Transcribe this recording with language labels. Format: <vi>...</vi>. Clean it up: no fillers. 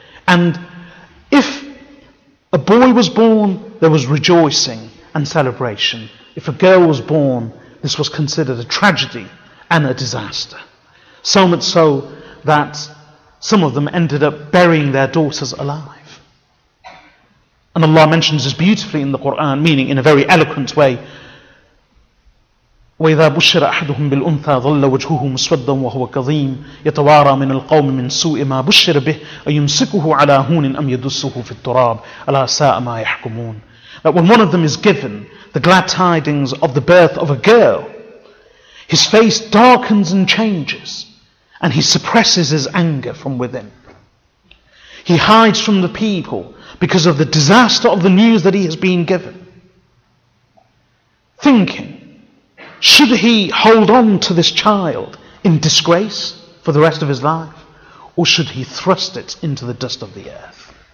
<en>And if a boy was born, there was rejoicing and celebration. If a girl was born, this was considered a tragedy and a disaster. So much so that some of them ended up burying their daughters alive. And Allah mentions this beautifully in the Quran, meaning in a very eloquent way,</en> <ar>وَإِذَا بُشِّرَ أَحَدُهُمْ بِالْأُنْثَى ظَلَّ وَجْهُهُ مُسْوَدًّا وَهُوَ كَظِيمٌ يَتَوَارَى مِنَ الْقَوْمِ مِنْ سُوءِ مَا بُشِّرَ بِهِ أَيُمْسِكُهُ عَلَى هُونٍ أَمْ يَدُسُّهُ فِي التُّرَابِ أَلَا سَاءَ مَا يَحْكُمُونَ.</ar> <en>That when one of them is given the glad tidings of the birth of a girl, his face darkens and changes, and he suppresses his anger from within. He hides from the people because of the disaster of the news that he has been given, thinking, should he hold on to this child in disgrace for the rest of his life, or should he thrust it into the dust of the earth?</en>